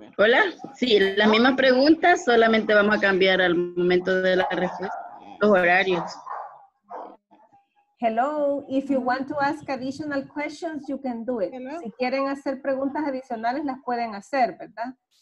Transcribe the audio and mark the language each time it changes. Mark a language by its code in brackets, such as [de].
[es] Hola, sí, las mismas preguntas, solamente vamos a cambiar al momento de la respuesta los horarios. [en] Hello, if you want to ask additional questions, you can do it. Hello? [es] Si quieren hacer preguntas adicionales, las pueden hacer, ¿verdad?